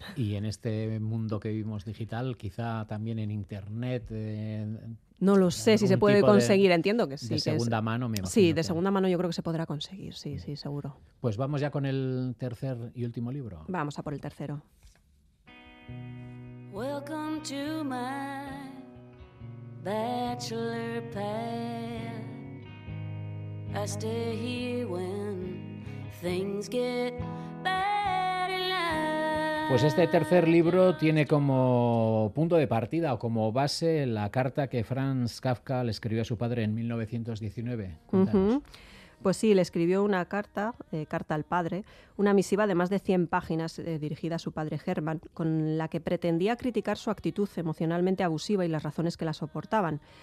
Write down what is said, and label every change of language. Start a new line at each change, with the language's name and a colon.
Spanish: Y en este mundo que vivimos digital, quizá también en internet... No lo sé si se puede conseguir, entiendo que sí. De segunda mano, me imagino. Sí, de segunda mano yo creo que se podrá conseguir, sí, sí, seguro. Pues vamos ya con el tercer y último libro. Vamos a por el tercero.
English: Welcome to my bachelor pad. I stay here when things get bad enough.
Spanish: Pues este tercer libro tiene como punto de partida o como base la carta que Franz Kafka le escribió a su padre en 1919. Cuéntanos. Uh-huh. Pues sí, le escribió una carta, carta al padre, una misiva de más de 100 páginas dirigida a su padre Hermann, con la que pretendía criticar su actitud emocionalmente abusiva y las razones que la soportaban.